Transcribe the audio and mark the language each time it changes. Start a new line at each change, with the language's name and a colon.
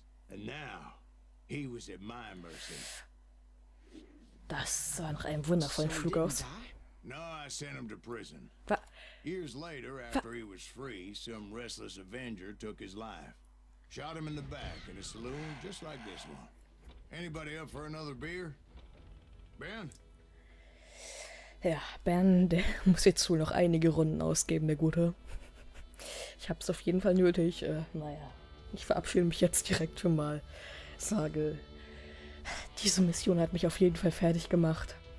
English: And now he was at my mercy.
German: Das sah nach einem wundervollen Flug aus.
English: No, I sent him to prison. Years later, after he was free, some restless avenger took his life. Shot him in the back in a saloon just like this one. Anybody up for another beer? Ben?
German: Ja, Ben, der muss jetzt wohl noch einige Runden ausgeben, der Gute. Ich hab's auf jeden Fall nötig, naja. Ich verabschiede mich jetzt direkt schon mal. Sage, diese Mission hat mich auf jeden Fall fertig gemacht.